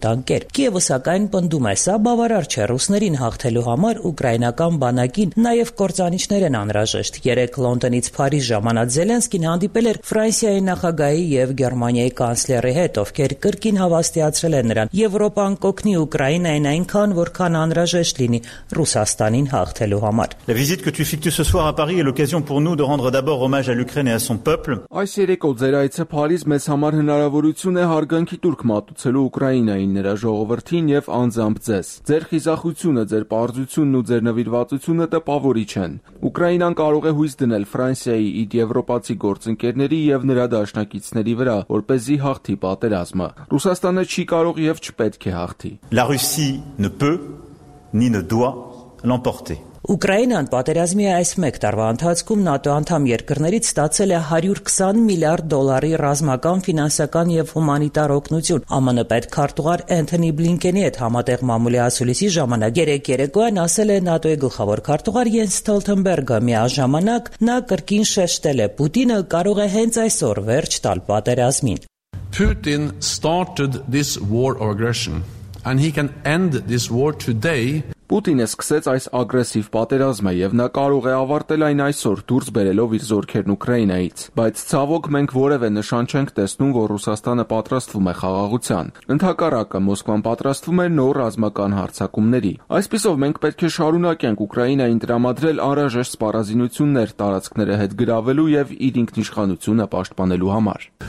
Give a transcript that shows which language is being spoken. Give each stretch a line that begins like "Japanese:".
Armenian: տանկեր։ Կիևը սակայն պնդում է, սա բավարար չէ ռուսներին հաղթելու համար ուկրաինական բանակին նաև կործանիչներ են անհրաժեշտ։ Երեկ Լոնդոնից Փարիզ ժամանած Զելենսկին հանդիպել էր Ֆրանսիայի նախագահի և Գերմանիայի կանցլերի հետ, ովքեր կրկին հավաստիացրել են նրան. Եվրոպան կօգնի Ուկրաինային այնքան, որքան անհրաժեշտ լինի Ռուսաստանին հաղթելու համար։
French: La visite que tu effectues ce soir à Paris est l'occasion pour nous de rendre d'abord hommage à l'Ukraine et à son peuple.
Armenian: Այս երեկ օձերայցը Փարիզ մեզ համար հնարավորություն է հարգանքի տուրք մատուցելու Ուկրաինային նրա ժողովրդին և անձամբ ձեզ։ Ձեր խիզախությունը, ձեր պարզությունն ու ձեր նվիրվածությունը տպավորիչ են։ Ուկրաինան կարող է հույս դնել Ֆրանսիայի իդ եվրոպացի գործընկերների և նրա դաշնակիցների վրա, որպեսզի հաղթի պատերազմը։ Ռուսաստանը չի կարող և չպետք է հաղթի։
French: La Russie ne peut ni ne doit l'emporter.
Armenian: Ուկրաինան պատերազմի այս մեկ տարվա ընթացքում ՆԱՏՕ անդամ երկրներից ստացել է 120 միլիարդ դոլարի ռազմական, ֆինանսական և հումանիտար օգնություն։ ԱՄՆ պետքարտուղար Էնթոնի Բլինկենի հետ համատեղ մամուլի ասուլիսի ժամանակ երեկ երեկոյան ասել է ՆԱՏՕ-ի գլխավոր քարտուղար Յենս Ստոլթենբերգը։ Միաժամանակ նա կրկին շեշտել է, Պուտինը կարող է հենց այսօր վերջ տալ պատերազմին։
English: Putin started this war of aggression and he can end this war today.
Armenian: Պուտինը սկսեց այս ագրեսիվ պատերազմը և նա կարող է ավարտել այն այսօր դուրս բերելով իր զորքերն Ուկրաինայից, բայց ցավոք մենք որևէ նշան չենք տեսնում, որ Ռուսաստանը պատրաստվում է խաղաղության։ Ընդհակառակը Մոսկվան պատրաստվում է նոր ռազմական հարձակումների։ Այսպիսով մենք պետք է շարունակենք Ուկրաինային տրամադրել անհրաժեշտ սպառազինություններ տարածքները հետ գրավելու և իր ինքնիշխանությունը պաշտպանելու համար։